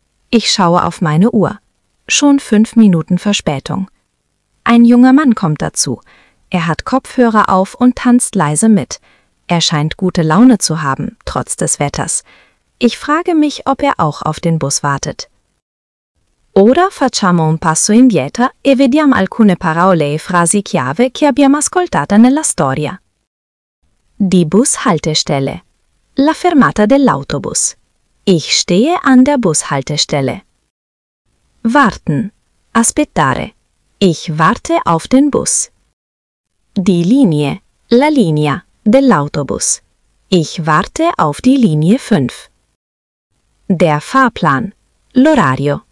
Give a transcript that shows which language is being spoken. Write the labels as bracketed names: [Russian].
[German] Ich schaue auf meine Uhr. Schon 5 Minuten Verspätung. Ein junger Mann kommt dazu. Er hat Kopfhörer auf und tanzt leise mit. Er scheint gute Laune zu haben, trotz des Wetters. Ich frage mich, ob er auch auf den Bus wartet. [Italian] Ora facciamo un passo indietro e vediamo alcune parole e frasi chiave che abbiamo ascoltato nella storia. [German] Die Bushaltestelle. [Italian] La fermata dell'autobus. [German] Ich stehe an der Bushaltestelle. Warten. [Italian] Aspettare. [German] Ich warte auf den Bus. Die Linie. [Italian] La linea. Dell'autobus. [German] Ich warte auf die Linie 5. Der Fahrplan. [Italian] L'orario.